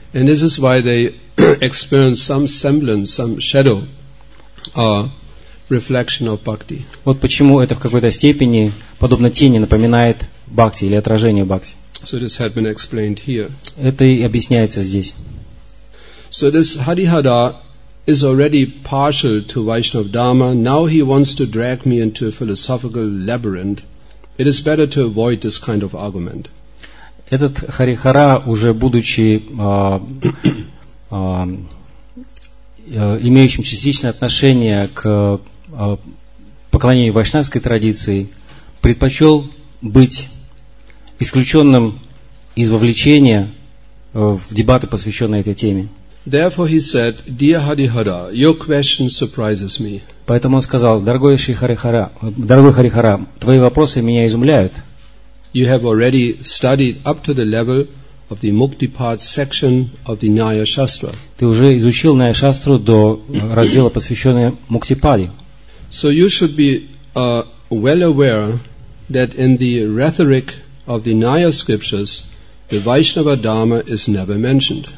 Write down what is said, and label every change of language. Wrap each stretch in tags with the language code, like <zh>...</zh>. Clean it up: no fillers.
<en>And this is why they experience some semblance, some shadow reflection of bhakti.</en> <ru>Вот почему это в какой-то степени подобно тени напоминает бхакти или отражение бхакти.</ru> <en>So this had been explained here.</en> <ru>Это и объясняется здесь.</ru> <en>So this Harihara is already partial to Vaishnava Dharma. Now he wants to drag me into a philosophical labyrinth. It is better to avoid this kind of argument.</en> <ru>Этот Харихара, уже будучи имеющим частичное отношение к поклонению вайшнавской традиции, предпочел быть исключенным из вовлечения в дебаты, посвященные этой теме.</ru> <en>Therefore he said, dear Harihara, your question surprises me.</en> <ru>Поэтому он сказал, дорогой Харихара, твои вопросы меня изумляют.</ru> <en>You have already studied up to the level of the Muktipad section of the Naya Shastra.</en> <ru>Ты уже изучил Наяя Шастру до раздела, посвященного Муктипаде.</ru> <en>So you should be well aware that in the rhetoric of the Naya scriptures, the Vaishnava Dharma is never mentioned.</en>